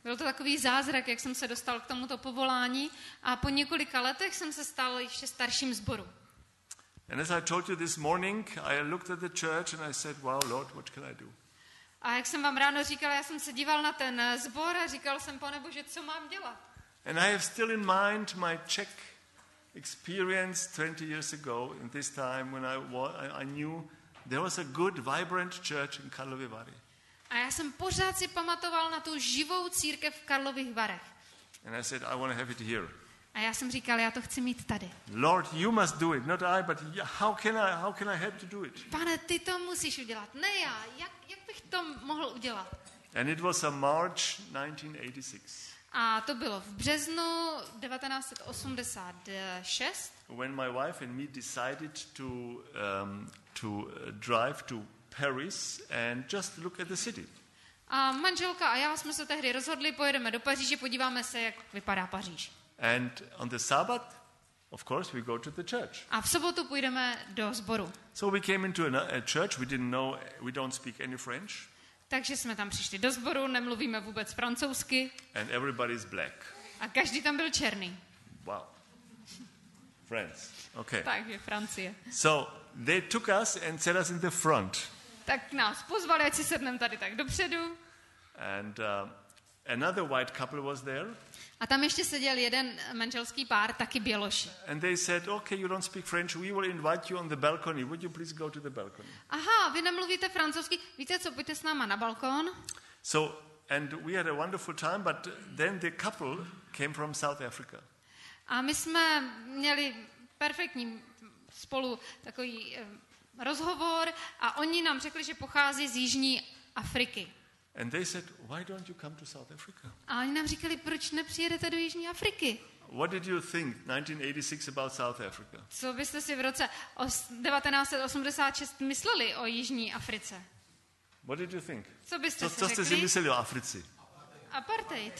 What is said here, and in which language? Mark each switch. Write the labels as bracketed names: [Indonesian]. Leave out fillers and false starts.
[Czech] Byl to takový zázrak, jak jsem se dostal k tomuto povolání a po několika letech jsem se stal ještě starším sboru. [English] And as I told you this morning, I looked at the church and I said, "Wow, Lord, what can I do?" [Czech] A jak jsem vám ráno říkal, já jsem se díval na ten sbor a říkal jsem, Pane Bože, co mám dělat? [English] And I have still in mind my Czech experience 20 years ago in this time when I knew there was a good vibrant church in Karlovy Vary. [Czech] A já jsem pořád si pamatoval na tu živou církev v Karlových Varech. [English] And I said, I want to have it here. [Czech] A já jsem říkal, já to chci mít tady. [English] Lord, you must do it, not I, but how can I help to do it? [Czech] Pane, ty to musíš udělat, ne já. Jak bych to mohl udělat? [English] And it was a March 1986. [Czech] A to bylo v březnu 1986. [English] When my wife and me decided to drive to Paris and just look at the city. [Czech] A manželka a já jsme se tehdy rozhodli, pojedeme do Paříže, podíváme se, jak vypadá Paříž. [English] And on the Sabbath, of course, we go to the church. [Czech] A v sobotu půjdeme do sboru. [English] So we came into a church. We didn't know. We don't speak any French. [Czech] Takže jsme tam přišli do sboru. Nemluvíme vůbec francouzsky. [English] And everybody's black. [Czech] A každý tam byl černý. [English] Wow. France. Okay. [Czech] Takže Francie. [English] So they took us and set us in the front. [Czech] Tak nás pozvali, ať si sedneme tady tak dopředu. [English] And another white couple was there. [Czech] A tam ještě seděl jeden manželský pár, taky běloši. [English] And they said, okay, you don't speak French. We will invite you on the balcony. Would you please go to the balcony? [Czech] Aha, vy nemluvíte francouzsky. Víte co, pojďte s náma na balkon. [English] So, and we had a wonderful time, but then the couple came from South Africa. [Czech] A my jsme měli perfektní spolu takový rozhovor a oni nám řekli, že pochází z jižní Afriky. [English] And they said, why don't you come to South Africa? [Czech] A oni nám říkali, proč nepřijedete do jižní Afriky? [English] What did you think 1986 about South Africa? [Czech] Co byste si v roce 1986 mysleli o jižní Africe? [English] What did you think? [Czech] Co byste si řekli? Co jste si mysleli o Africi? [English] Apartheid.